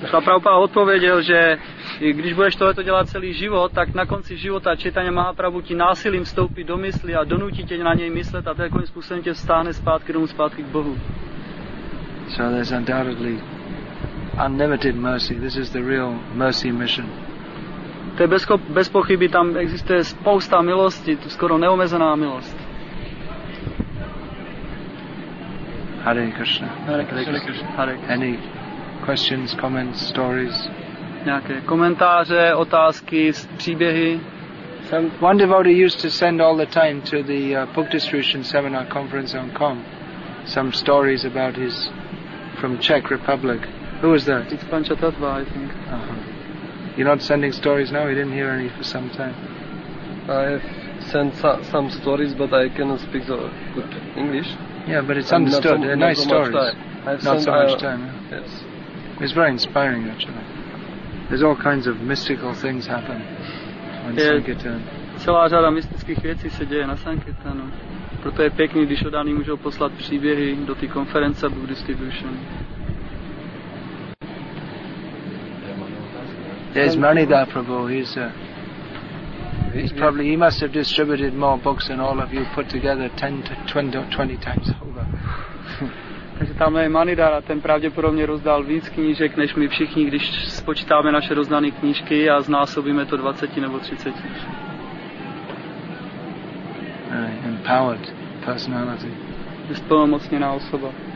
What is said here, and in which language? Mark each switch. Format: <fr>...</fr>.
<cs>Prabhupada odpověděl, že když budeš tohleto dělat celý život, tak na konci života Chaitanya Mahaprabhu ti násilím vstoupí do mysli a donutí tě na něj myslet a takovým způsobem tě stáhne zpátky domů, zpátky k Bohu.</cs> <en>So there's undoubtedly unlimited mercy. This is the real mercy mission.</en> <cs>To je bez pochyby, tam existuje spousta milosti, to skoro neomezená milost.</cs> <sa>Hare Krishna. Hare Krishna.</sa> <en>Any questions, comments, stories?</en> <cs>Nějaké komentáře, otázky, příběhy?</cs> <en>One devotee used to send all the time to the book distribution seminar conference on Com some stories about his from Czech Republic. Who was that? It's Panchatattva, I think. Uh-huh. You're not sending stories now? We didn't hear any for some time. I've sent some stories, but I cannot speak so good English. Yeah, but it's understood. They're nice stories. Not so much time. Yes. It's very inspiring, actually. There's all kinds of mystical things happen on Sankirtan.</en> <cs>Celá řada mystických věcí se děje na Sankirtanu. Proto je pěkný, když odaný můžou poslat příběhy do té konference Book Distribution.</cs> <en>There's Manidhar Prabhu. He's probably, he must have distributed more books than all of you put together 10 to 20 times over.</en> <cs>Takže tam je Manidhar a ten pravděpodobně rozdal víc knížek než my všichni, když spočítáme naše rozdané knížky a znásobíme to 20 nebo 30.</cs> <en>Empowered personality.</en> <cs>Bezpomocněná osoba.</cs>